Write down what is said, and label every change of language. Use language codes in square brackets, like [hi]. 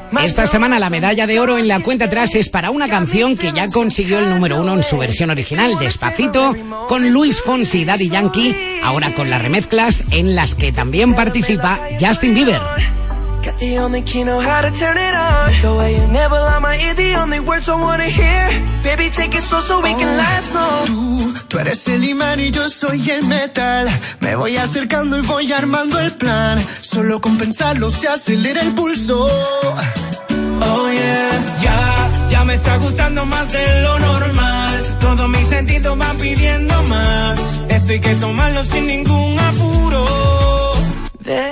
[es] Esta semana la medalla de oro en la cuenta atrás es para una canción que ya consiguió el número uno en su versión original, Despacito, con Luis Fonsi y Daddy Yankee, ahora con las remezclas en las que también participa Justin Bieber. [en] Got the only key, know how to turn it on. The way you never lie, my ear, the only words I wanna hear. Baby, take it slow so we can last long. [es] Tú eres el imán y yo soy el metal. Me voy acercando y voy armando el plan. Solo con pensarlo se acelera el pulso. [en] Oh yeah. [es] Ya me está gustando más de lo normal. Todos mis sentidos van pidiendo más. Esto hay que tomarlo sin ningún apuro. Then